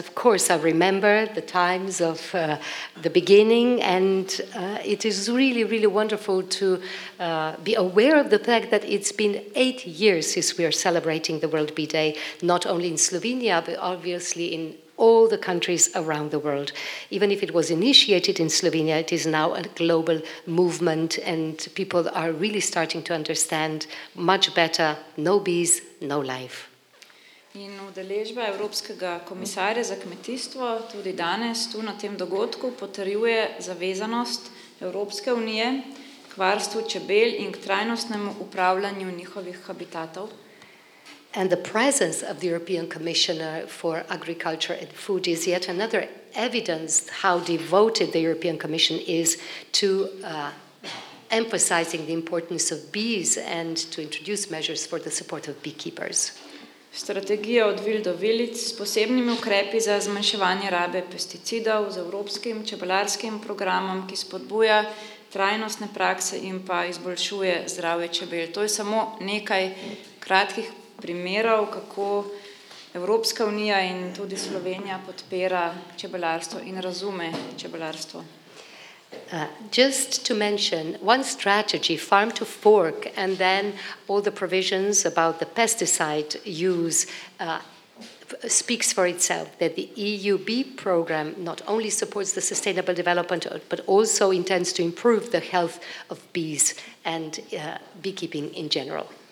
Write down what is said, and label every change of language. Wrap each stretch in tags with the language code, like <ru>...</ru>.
<en>Of course, I remember the times of the beginning, and it is really, really wonderful to be aware of the fact that it's been 8 years since we are celebrating the World Bee Day, not only in Slovenia, but obviously in all the countries around the world. Even if it was initiated in Slovenia, it is now a global movement and people are really starting to understand much better, no bees, no life.</en> <sl>In udeležba Evropskega komisarja za kmetijstvo tudi danes tu na tem dogodku potrjuje zavezanost Evropske unije k varstvu čebel in k trajnostnemu upravljanju njihovih habitatov.</sl> <en>And the presence of the European Commissioner for Agriculture and Food is yet another evidence how devoted the European Commission is to emphasizing the importance of bees and to introduce measures for the support of beekeepers.</en> <sl>strategija od vil do vilic s posebnimi ukrepi za zmanjševanje rabe pesticidov z evropskim čebelarskim programom, ki spodbuja trajnostne prakse in pa izboljšuje zdravje čebel. To je samo nekaj kratkih primerov, kako Evropska unija in tudi Slovenija podpira čebelarstvo in razume čebelarstvo.</sl> <en>Just to mention one strategy, farm to fork, and then all the provisions about the pesticide use speaks for itself, that the EUB program not only supports the sustainable development, but also intends to improve the health of bees and beekeeping in general.</en>